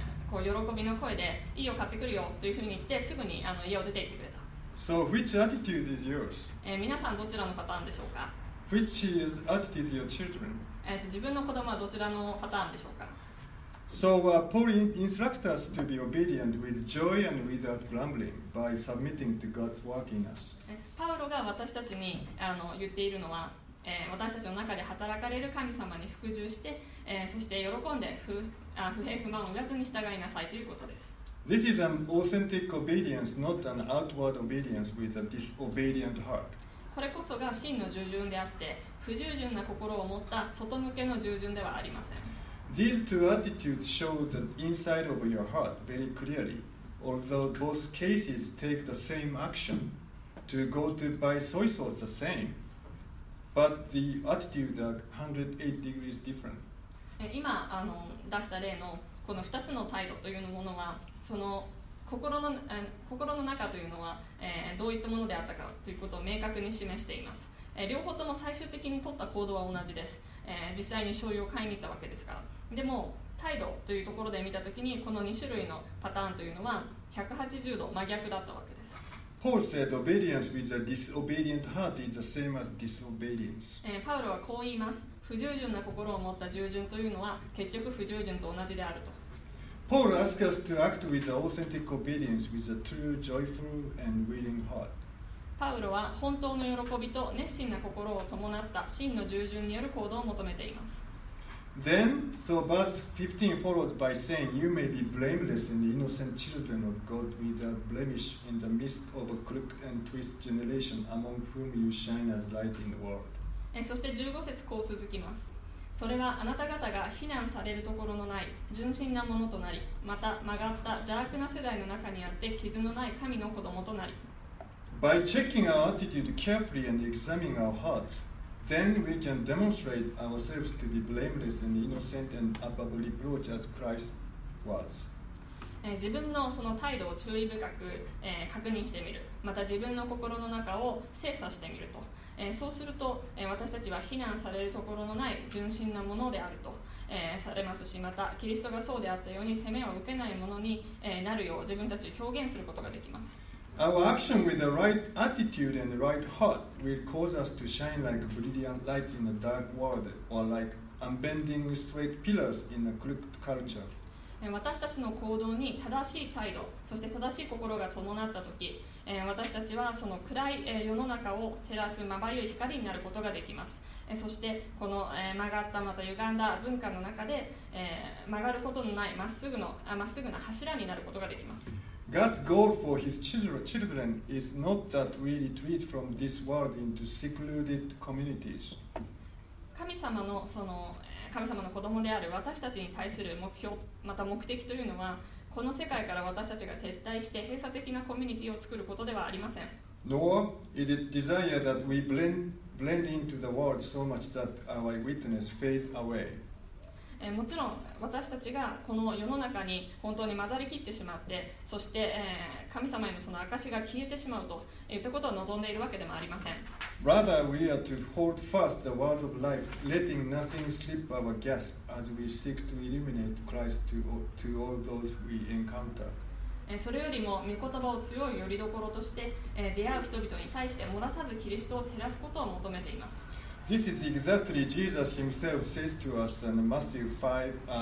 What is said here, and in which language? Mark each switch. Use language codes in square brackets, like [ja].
[ja] こう喜びの声でいいよ買ってくるよというふうに言ってすぐに家を出て行ってくれた。 [en] So which attitude is yours? [ja] 皆さんどちらのパターンでしょうか。 [en] Which attitude is your children? [ja] 自分の子供はどちらのパターンでしょうか。 [en] So Paul instructs us to be obedient with joy and without grumbling by submitting to God's work in us. [ja] パウロが私たちに言っているのは私たちの中で働かれる神様に服従して、そして喜んで不平不満を言わずに従いなさいということです。 [en] This is an authentic obedience, not an outward obedience with a disobedient heart. [ja] これこそが真の従順であって不従順な心を持った外向けの従順ではありません。 [en] These two attitudes show the inside of your heart very clearly, although both cases take the same action to go to buy soy sauce the same. But the attitude are 108 degrees different. [ja] 今出した例のこの2つの態度というものはその心の中というのは、どういったものであったかということを明確に示しています。両方とも最終的に取った行動は同じです。実際に醤油を買いに行ったわけですから。でも態度というところで見たときに、この2種類のパターンというのは180度真逆だったわけです。 [en] Paul said obedience with a disobedient heart is the same as disobedience、 [ja] パウロはこう言います。不従順な心を持った従順というのは結局不従順と同じであると。 [en] Paul asks us to act with authentic obedience with a true, joyful, and willing heart. [ja] パウロは本当の喜びと熱心な心を伴った真の従順による行動を求めています。 [en] Then, so verse 15 follows by saying, You may be blameless and innocent children of God without blemish in the midst of a crooked and twisted generation among whom you shine as light in the world. [ja] そして15節こう続きます。それはあなた方が非難されるところのない純真なものとなり、また曲がった邪悪な世代の中にあって傷のない神の子供となり。 [en] By checking our attitude carefully and examining our hearts, then we can demonstrate ourselves to be blameless and innocent and above reproach as Christ was. [ja] 自分のその態度を注意深く確認してみる。また自分の心の中を精査してみると。そうすると、私たちは非難されるところのない純真なものであると、されますし、またキリストがそうであったように責めを受けないものに、なるよう自分たちを表現することができます。 [en] Our action with the right attitude and the right heart will cause us to shine like brilliant lights in a dark world or like unbending straight pillars in a crooked culture. [ja] 私たちの行動に正しい態度、そして正しい心が伴ったとき、私たちはその暗い世の中を照らすまばゆい光になることができます。そしてこの曲がったまた歪んだ文化の中で曲がることのないまっすぐな柱になることができます。 [en] God's goal for his children is not that we retreat from this world into secluded communities. [ja] 神様の子供である私たちに対する目標、また目的というのは、この世界から私たちが撤退して閉鎖的なコミュニティを作ることではありません。 [en] Nor is it desire that we blend into the world so much that our witness fades away. [ja] もちろん私たちがこの世の中に本当に混ざりきってしまって、そして神様へのその証が消えてしまうといったことを望んでいるわけでもありません。 [en] Rather, we are to hold fast the word of life, letting nothing slip our grasp as we seek to illuminate Christ to all those we encounter. [ja] それよりも御言葉を強い拠り所として出会う人々に対して漏らさずキリストを照らすことを求めています。 [en] This is exactly Jesus himself says to us in Matthew 5:14-16.